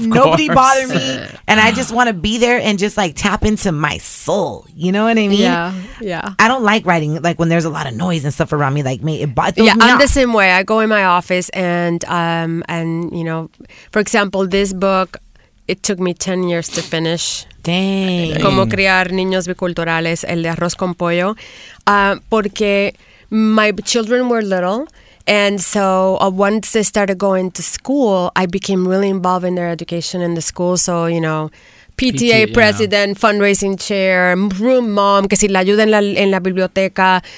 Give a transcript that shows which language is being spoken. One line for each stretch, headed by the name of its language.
English: Nobody bother me, and I just want to be there and just like tap into my soul. You know what I mean? Yeah, yeah. I don't like writing like when there's a lot of noise and stuff around me. Like me, I'm the same way. I go in my office and you know, for example, this book. It took me 10 years to finish. Dang.
Spanish: Cómo criar niños biculturales, el de arroz con pollo. Porque
English: my children were little. And so once they started going to school, I became really involved in their education in the school. So, you know, PTA president, yeah. Fundraising chair, room mom,
Spanish: que si la ayuda en la biblioteca.